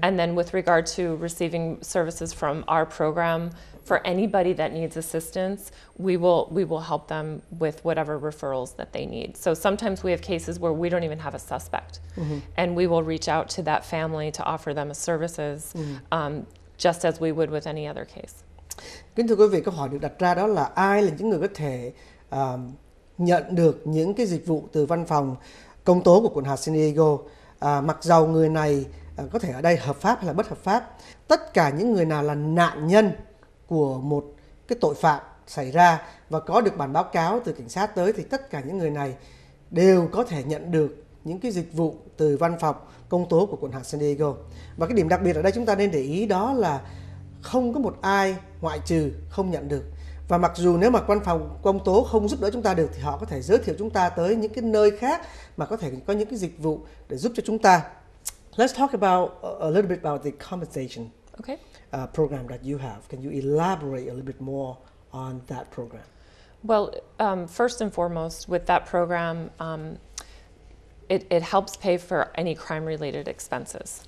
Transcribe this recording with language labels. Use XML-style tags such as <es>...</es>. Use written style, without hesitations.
<en>And then with regard to receiving services from our program, for anybody that needs assistance, we will help them with whatever referrals that they need. So sometimes we have cases where we don't even have a suspect, mm-hmm. and we will reach out to that family to offer them services. Mm-hmm. Just as we would with any other case.</en> <vi>Kính thưa quý vị, câu hỏi được đặt ra đó là ai là những người có thể nhận được những cái dịch vụ từ văn phòng công tố của quận hạt San Diego, mặc dầu người này có thể ở đây hợp pháp hay là bất hợp pháp. Tất cả những người nào là nạn nhân của một cái tội phạm xảy ra và có được bản báo cáo từ cảnh sát tới, thì tất cả những người này đều có thể nhận được những cái dịch vụ từ văn phòng công tố của quận hạt San Diego. Và cái điểm đặc biệt ở đây chúng ta nên để ý đó là không có một ai ngoại trừ không nhận được. Và mặc dù nếu mà văn phòng công tố không giúp đỡ chúng ta được, thì họ có thể giới thiệu chúng ta tới những cái nơi khác mà có thể có những cái dịch vụ để giúp cho chúng ta.</vi> <en>Let's talk about a little bit about the compensation okay. Program that you have. Can you elaborate a little bit more on that program? Well, first and foremost, with that program, It helps pay for any crime-related expenses,</en>